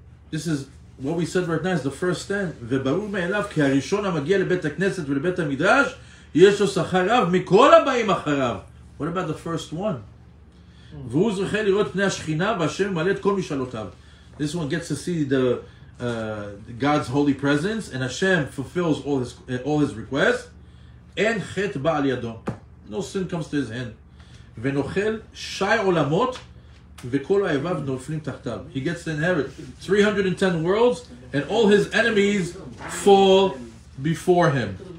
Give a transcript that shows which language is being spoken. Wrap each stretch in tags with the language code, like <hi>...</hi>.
<en>This is what we said right now, is the first 10.</en> <he>וברור מאליו כי הראשון המגיע לבית הכנסת ולבית המדרש יש לו שכר רב מכל הבאים אחריו.</he> <en>What about the first one?</en> <he>והוא זוכה לראות פני השכינה והשם מלא את כל משאלותיו.</he> <en>This one gets to see the God's holy presence, and Hashem fulfills all his requests.</en> <he>En chet ba'al yado,</he> <en>no sin comes to his hand.</en> <he>Venochel shai olamot v'kol ha'evav noflim tachtav.</he> <en>He gets to inherit 310 worlds, and all his enemies fall before him.</en>